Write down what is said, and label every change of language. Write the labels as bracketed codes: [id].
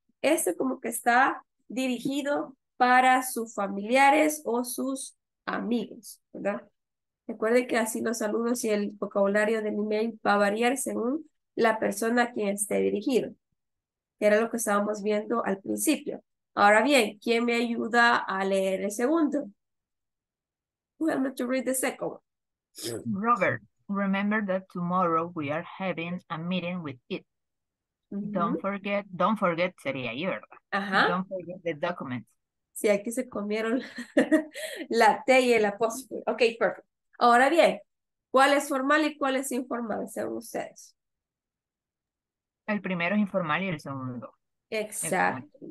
[es] Este como que está dirigido para sus familiares o sus amigos, ¿verdad? Recuerde que así los saludos y el vocabulario del email va a variar según la persona a quien esté dirigido. Era lo que estábamos viendo al principio. Ahora bien, ¿quién me ayuda a leer el segundo? [en] Who am I to read the second one? Robert, remember that tomorrow we are having a meeting with it. Don't forget, [es] sería ahí, ¿verdad? Ajá. [en] Don't forget the documents. [es] Sí, aquí se comieron la T y el apóstrofe. Ok, perfecto. Ahora bien, ¿cuál es formal y cuál es informal según ustedes? El primero es informal y el segundo. Exacto.